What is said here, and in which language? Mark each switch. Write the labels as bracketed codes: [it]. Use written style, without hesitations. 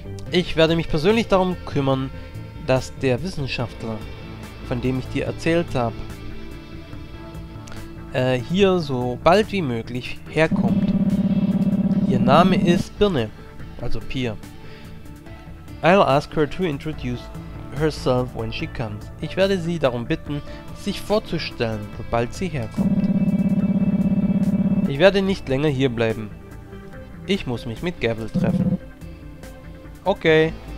[de] Ich werde mich persönlich darum kümmern, dass der Wissenschaftler, von dem ich dir erzählt habe, hier so bald wie möglich herkommt. Ihr Name ist Birne, also Pia. [en] I'll ask her to introduce herself when she comes. [de] Ich werde sie darum bitten, sich vorzustellen, sobald sie herkommt. Ich werde nicht länger hier bleiben. Ich muss mich mit Gavel treffen. Okay.